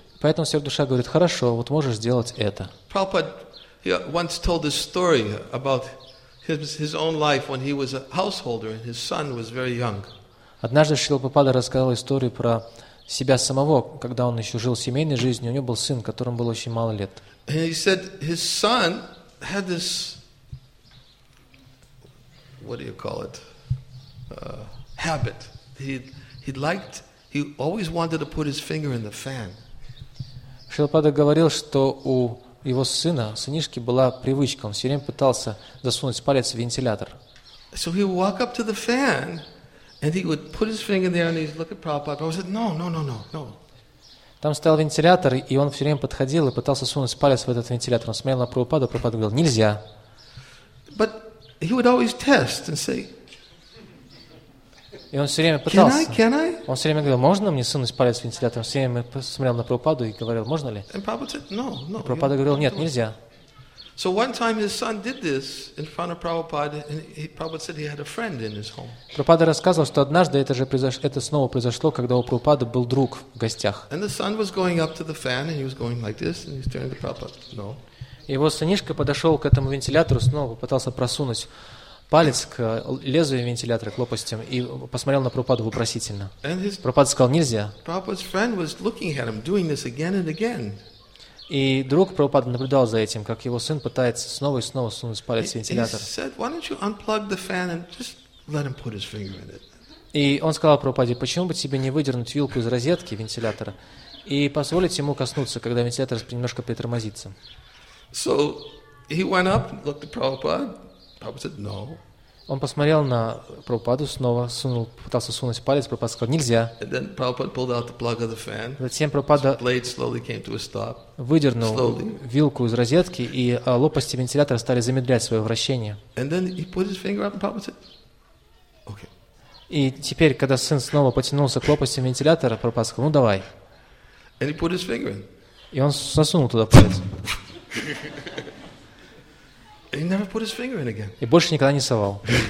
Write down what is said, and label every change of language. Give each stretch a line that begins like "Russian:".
Russian: Поэтому сверхдуша говорит: "Хорошо, вот можешь сделать это."
English: Prabhupada once told this story about his own life when he was a householder and his son was very young.
Russian: Однажды Шрила Прабхупада рассказал историю про себя самого, когда он еще жил семейной жизнью, у него был сын, которому было очень мало лет.
English: And he said his son had this, what do you call it, habit. He always wanted to put his finger in the fan.
Russian: Шилпада говорил, что у его сына, сынишки, была привычка. Он все время пытался засунуть палец в вентилятор.
English: So he would walk up to the fan, and he would put his finger there, and he'd look at Prabhupada. Prabhupada said, no.
Russian: Там стоял вентилятор, и он все время подходил и пытался сунуть палец в этот вентилятор. Он смотрел на Прабхупаду, Прабхупада говорил: нельзя.
English: But he would always test and say,
Russian: и он все время пытался.
English: Can I?
Russian: Он все время говорил: можно мне сунуть палец в вентилятор? Он все время смотрел на Прабхупаду и говорил: можно ли?
English: And Prabhupada said, no.
Russian: И Прабхупада говорил: нет, нельзя.
English: So one time his son did this in front of Prabhupada, and Prabhupada said he had a friend in his home.
Russian: Прабхупада рассказывал, что однажды это снова произошло, когда у Прабхупады был друг в гостях.
English: And the son was going up to the fan, and he was going like this, and he's turning to Prabhupada. No.
Russian: Его сынишка подошел к этому вентилятору, снова пытался просунуть палец к лезвию вентилятора, к лопастям, и посмотрел на Прабхупаду вопросительно.
English: And his
Russian: Прабхупада сказал: нельзя.
English: Prabhupada's friend was looking at him, doing this again and again.
Russian: И друг Прабхупада наблюдал за этим, как его сын пытается снова и снова сунуть палец в вентилятор.
English: He said, "Why don't you unplug the fan and just let him put his finger in it?"
Russian: И он сказал Прабхупаде: почему бы тебе не выдернуть вилку из розетки вентилятора и позволить ему коснуться, когда вентилятор немножко притормозится?
English: So he went up and looked at Prabhupada. Prabhupada said, "No."
Russian: Он посмотрел на Прабхупаду, снова сунул, пытался сунуть палец, Прабхупада сказал: нельзя.
English: And then Prabhupada pulled out the plug of the fan.
Russian: Затем Прабхупада
English: blade slowly came to a stop.
Russian: Выдернул
English: slowly
Russian: вилку из розетки, и лопасти вентилятора стали замедлять свое вращение.
English: And then he put his finger up, and Prabhupada said, okay.
Russian: И теперь, когда сын снова потянулся к лопасти вентилятора, Прабхупада сказал: ну давай.
English: And he put his finger in.
Russian: И он засунул туда палец.
English: He never put his finger in again.
Russian: И больше никогда не совал.